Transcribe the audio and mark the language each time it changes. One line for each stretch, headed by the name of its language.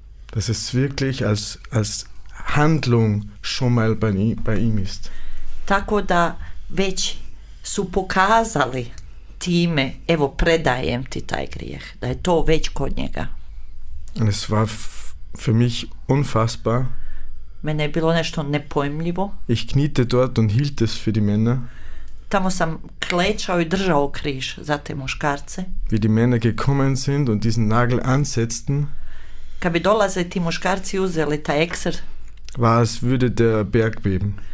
German: Dass es wirklich als Handlung schon mal bei ihm ist.
Croatian: Tako da već su pokazali time, evo predajem ti taj grijeh, da je to već kod njega.
German: Und es war für mich unfassbar.
Croatian: Mene je bilo nešto nepojmljivo.
German: Ich kniete dort und hielt es für die Männer.
Croatian: Tamo sam klečao i držao križ za te muškarce.
German: Wie die Männer gekommen sind und diesen Nagel ansetzten.
Croatian: Kad bi dolaze ti muškarci uzeli taj ekser.
German: War es würde der Berg beben.